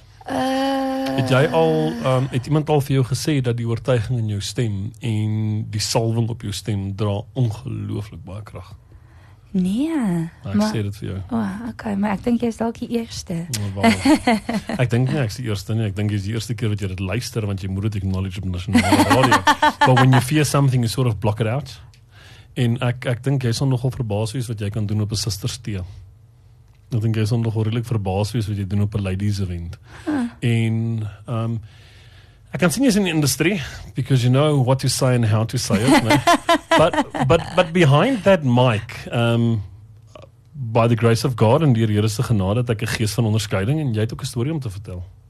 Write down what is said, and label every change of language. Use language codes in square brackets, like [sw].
[af] Het jy al, het iemand al vir jou gesê dat die oortuiging in jou stem en die salwing op jou stem dra ongelooflik baie krag? Nee. Maar ek sê dit vir jou. Okay, maar ek dink jy is dalk die eerste. Ek dink nie ek is die eerste nie. Ek dink jy is die eerste keer wat jy dit luister, want jy moet dit acknowledge op nasionale radio. [en] But when you fear something, you sort of block it out. [af] En ek dink jy sal nogal verbaas wees wat jy kan doen op 'n sister's tee. Ek dink jy sal nogal redelik verbaas wees wat jy doen op 'n ladies event. En ek kan sien jy's in die industrie, [en] because you know what to say and how to say it. but behind that mic, by the grace of God [af] en deur die Here se genade, het ek 'n gees van onderskeiding en jy het ook 'n storie om te vertel.